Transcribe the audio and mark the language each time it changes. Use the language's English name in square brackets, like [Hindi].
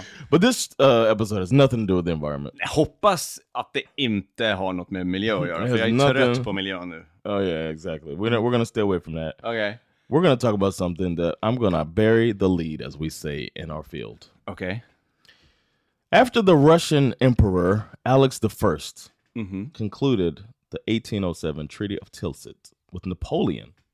[English] But this episode has nothing to do with the environment. [Swedish] Jag hoppas att det inte har något med miljö att göra, för jag är nothing. Trött på miljön nu. [English] Oh yeah, exactly. We're gonna stay away from that. Okay. We're gonna talk about something that I'm gonna bury the lead, as we say in our field. Okay. After the Russian Emperor Alex the First concluded the 1807 Treaty of Tilsit with Napoleon,